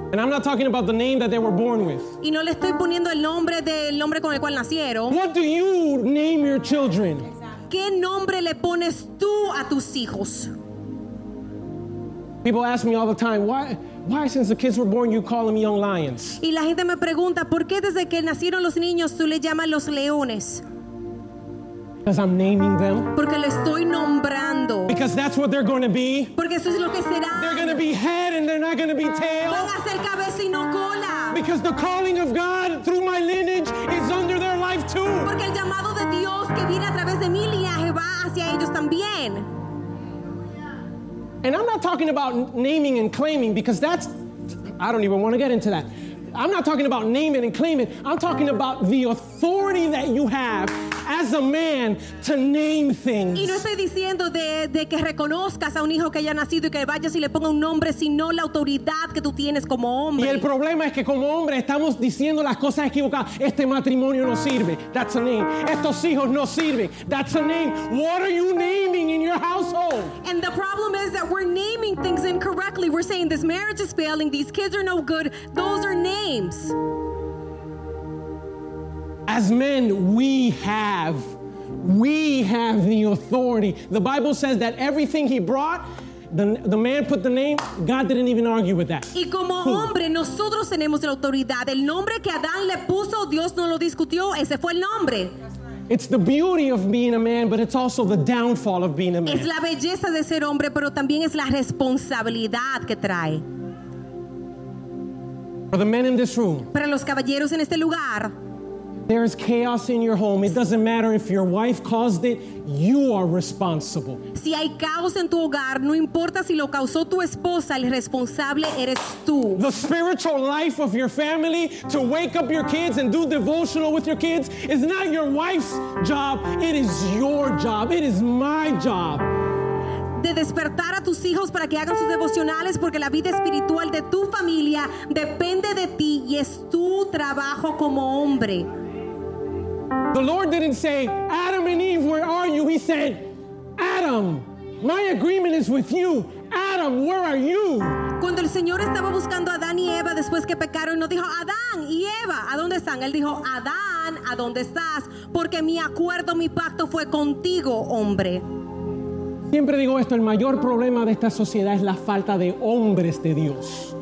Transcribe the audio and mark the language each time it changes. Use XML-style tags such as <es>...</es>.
<en>And I'm not talking about the name that they were born with.</en> <es>Y no le estoy poniendo el nombre con el cual nacieron.</es> <en>What do you name your children?</en> <es>qué nombre le pones tú a tus hijos?</es> <en>People ask me all the time, why since the kids were born you call them young lions?</en> <es>Y la gente me pregunta, ¿por qué desde que nacieron los niños tú le llamas los leones?</es> <en>Because I'm naming them.</en> <es>Porque le estoy nombrando.</es> <en>Because that's what they're going to be.</en> <es>Porque eso es lo que serán.</es> <en>They're going to be head and they're not going to be tail.</en> <es>Van a ser cabeza y no cola.</es> <en>Because the calling of God through my lineage is under their life too.</en> <es>Porque el llamado de Dios que viene a través de mi linaje va hacia ellos también.</es> <en>And I'm not talking about naming and claiming, because that's, I don't even want to get into that. I'm not talking about naming and claiming. I'm talking about the authority that you have as a man to name things.</en> <es>Y no estoy diciendo de que reconozcas a un hijo que haya nacido y que vayas y le ponga un nombre, sino la autoridad que tú tienes como hombre. Y el problema es que como hombre estamos diciendo las cosas equivocadas. Este matrimonio no sirve.</es> <en>That's a name.</en> <es>Estos hijos no sirven.</es> <en>That's a name. What are you naming in your household? And the problem is that we're naming things incorrectly. We're saying this marriage is failing. These kids are no good. Those are names. As men, we have the authority. The Bible says that everything he brought, the man put the name, God didn't even argue with that.</en> <es>Y como hombre, nosotros tenemos la autoridad. El nombre que Adán le puso, Dios no lo discutió, ese fue el nombre.</es> <en>It's the beauty of being a man, but it's also the downfall of being a man.</en> <es>Es la belleza de ser hombre, pero también es la responsabilidad que trae.</es> <en>For the men in this room,</en> <es>para los caballeros en este lugar,</es> <en>there is chaos in your home. It doesn't matter if your wife caused it. You are responsible.</en> <es>Si hay caos en tu hogar, no importa si lo causó tu esposa, el responsable eres tú.</es> <en>The spiritual life of your family, to wake up your kids and do devotional with your kids, is not your wife's job. It is your job. It is my job.</en> <es>De despertar a tus hijos para que hagan sus devocionales, porque la vida espiritual de tu familia depende de ti y es tu trabajo como hombre.</es> <en>The Lord didn't say, Adam and Eve, where are you? He said, Adam, my agreement is with you. Adam, where are you?</en> <es>Cuando el Señor estaba buscando a Adán y Eva después que pecaron, no dijo, Adán y Eva, ¿a dónde están? Él dijo, Adán, ¿a dónde estás? Porque mi acuerdo, mi pacto fue contigo, hombre. Siempre digo esto, el mayor problema de esta sociedad es la falta de hombres de Dios.</es>